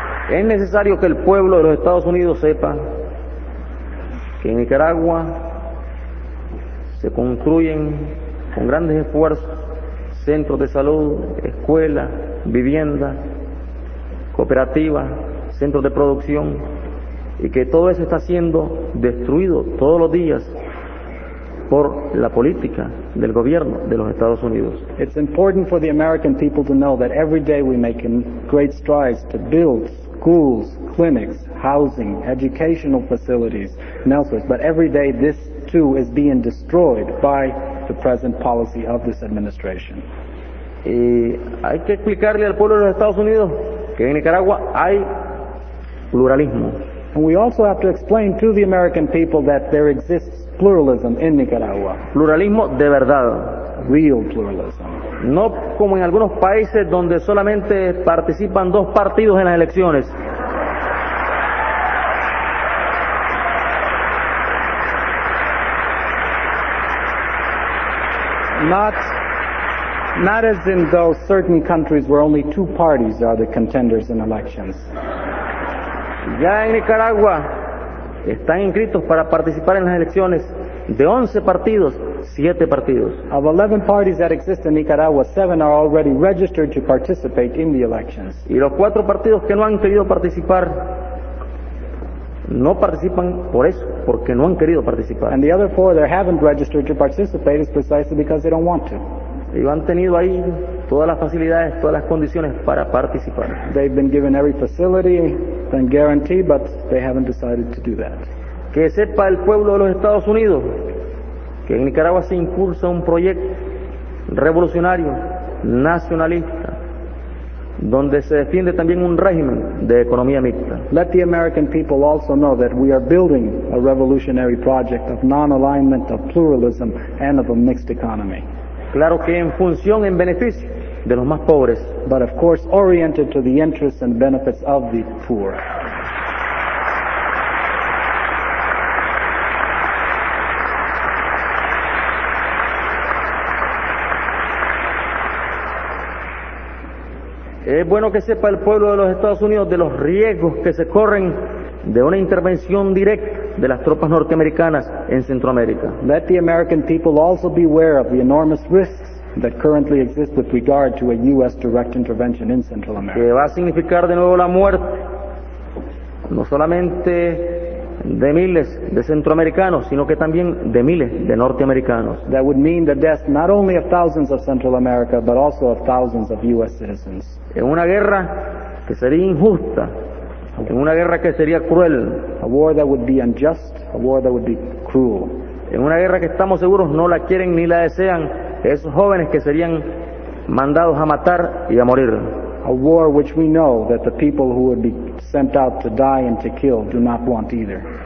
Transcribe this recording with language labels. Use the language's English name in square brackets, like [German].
[Spanish] Es necesario que el pueblo de los Estados Unidos sepa que en Nicaragua se construyen con grandes esfuerzos centros de salud, escuelas, viviendas, cooperativas, centros de producción, y que todo eso está siendo destruido todos los días por la política del gobierno de los Estados Unidos. [English] It's important for the American people to know that every day we make great strides to build schools, clinics, housing, educational facilities, and elsewhere. But every day this too is being destroyed by the present policy of this administration. [Spanish] Y hay que explicarle al pueblo de los Estados Unidos que en Nicaragua hay pluralismo. [English] And we also have to explain to the American people that there exists pluralism in Nicaragua. [Spanish] Pluralismo de verdad. [English] Real pluralism. [Spanish] No como en algunos países donde solamente participan dos partidos en las elecciones. [English] Not Not as in though certain countries where only two parties are the contenders in elections. [Spanish] Ya en Nicaragua están inscritos para participar en las elecciones de 11 partidos, 7 partidos. [English] Of 11 parties that exist in Nicaragua, 7 are already registered to participate in the elections. [Spanish] Y los 4 partidos que no han querido participar no participan por eso, porque no han querido participar. [English] And the other 4 that haven't registered to participate is precisely because they don't want to. [Spanish] Y han tenido ahí todas las facilidades, todas las condiciones para participar. [English] They've been given every facility and guarantee, but they haven't decided to do that. [Spanish] Que sepa el pueblo de los Estados Unidos que en Nicaragua se impulsa un proyecto revolucionario, nacionalista, donde se defiende también un régimen de economía mixta. [English] Let the American people also know that we are building a revolutionary project of non-alignment, of pluralism, and of a mixed economy. [Spanish] Claro que en función, en beneficio de los más pobres. [English] But of course, oriented to the interests and benefits of the poor. [Spanish] Es bueno que sepa el pueblo de los Estados Unidos de los riesgos que se corren de una intervención directa de las tropas norteamericanas en Centroamérica. [English] Let the American people also be aware of the enormous risks that currently exist with regard to a U.S. direct intervention in Central America. [Spanish] Que va a significar de nuevo la muerte, no solamente de miles de centroamericanos, sino que también de miles de norteamericanos. [English] That would mean the death not only of thousands of Central America, but also of thousands of U.S. citizens. [Spanish] En una guerra que sería injusta, en una guerra que sería cruel. [English] A war that would be unjust, a war that would be cruel. [Spanish] En una guerra que estamos seguros no la quieren ni la desean esos jóvenes que serían mandados a matar y a morir. [English] A war which we know that the people who would be sent out to die and to kill do not want either.